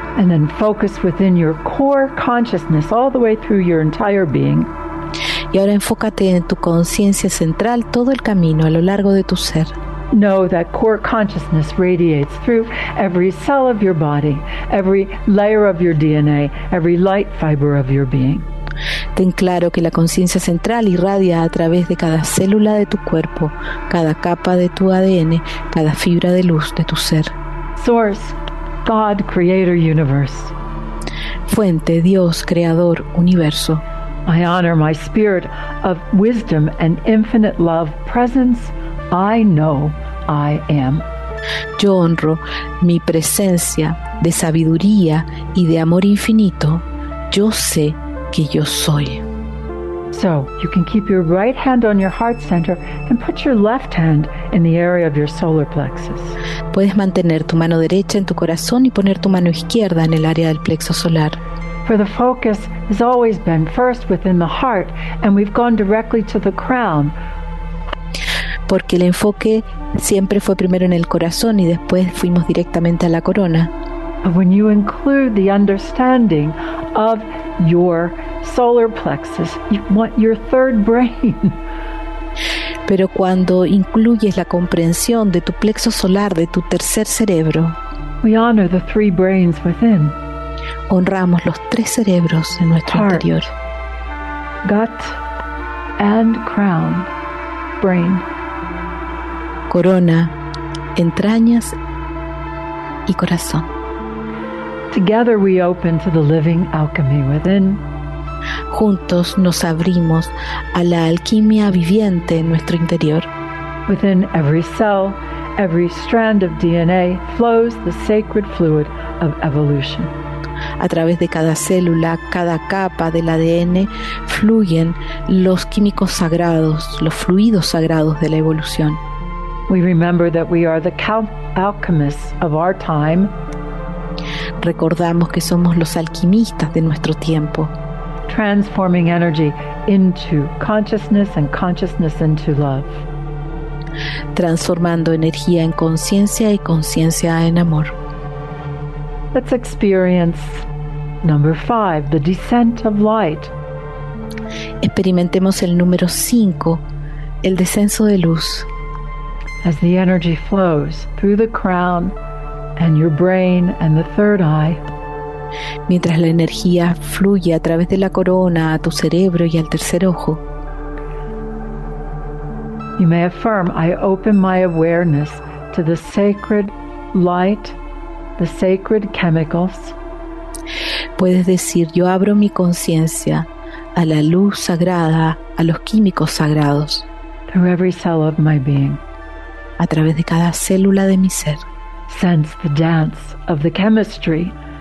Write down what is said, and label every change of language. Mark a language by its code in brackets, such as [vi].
[en] And then focus within your core consciousness all the way through your entire being. [es] Y ahora enfócate en tu conciencia central todo el camino a lo largo de tu ser. [en] Know that core consciousness radiates through every cell of your body, every layer of your DNA, every light fiber of your being. [es] Ten claro que la conciencia central irradia a través de cada célula de tu cuerpo, cada capa de tu ADN, cada fibra de luz de tu ser. [en] Source, God, creator, universe. [es] Fuente, Dios, creador, universo. [en] I honor my spirit of wisdom and infinite love presence. I know I am. [es] Yo honro mi presencia de sabiduría y de amor infinito. Yo sé que yo soy. [en] So, you can keep your right hand on your heart center and put your left hand in the area of your solar plexus. [es] Puedes mantener tu mano derecha en tu corazón y poner tu mano izquierda en el área del plexo solar. [en] For the focus has always been first within the heart, and we've gone directly to the crown. [es] Porque el enfoque siempre fue primero en el corazón y después fuimos directamente a la corona. [en] But when you include the understanding of your solar plexus, you want your third brain. [es] Pero cuando incluyes la comprensión de tu plexo solar, de tu tercer cerebro, [en] we honor the three brains within. [es] Honramos los tres cerebros en nuestro [en] heart, [es] interior. [en] Gut and crown, brain. [es] Corona, entrañas y corazón. [en] Together we open to the living alchemy within. [es] Juntos nos abrimos a la alquimia viviente en nuestro interior. [en] Within every cell, every strand of DNA flows the sacred fluid of evolution. [es] A través de cada célula, cada capa del ADN fluyen los químicos sagrados, los fluidos sagrados de la evolución. [en] We remember that we are the alchemists of our time. [es] Recordamos que somos los alquimistas de nuestro tiempo. [en] Transforming energy into consciousness and consciousness into love. [es] Transformando energía en conciencia y conciencia en amor. [en] Let's experience number 5, the descent of light. [es] Experimentemos el número 5, el descenso de luz. [en] As the energy flows through the crown and your brain and the third eye. [es] Mientras la energía fluye a través de la corona, a tu cerebro y al tercer ojo. [en] You may affirm, I open my awareness to the sacred light, the sacred chemicals. [es] puedes decir, yo abro mi conciencia a la luz sagrada, a los químicos sagrados. [en] Through every cell of my being. [es] A través de cada célula de mi ser. [en] Sense the dance of the chemistry.